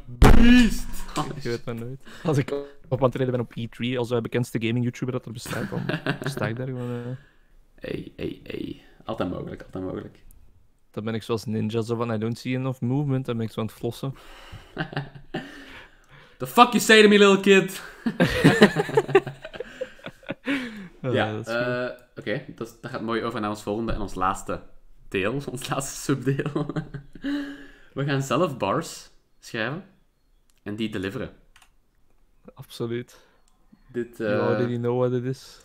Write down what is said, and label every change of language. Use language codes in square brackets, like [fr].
[en] beast! [nl] Ik weet maar nooit. Als ik op aantreden ben op E3, als de bekendste gaming-YouTuber dat er bestaat, dan sta ik daar gewoon. Ey. Altijd mogelijk, altijd mogelijk. Dan ben ik zoals ninja, zo van [en] I don't see enough movement, [nl] dan ben ik zo aan het flossen. [en] The fuck you say to me, little kid? [nl] Ja, Dat is goed. oké. Okay. Dat gaat mooi over naar ons volgende en ons laatste deel. Ons laatste subdeel. We gaan zelf bars schrijven. En die deliveren. Absoluut. Dit, [en] You already know what it is.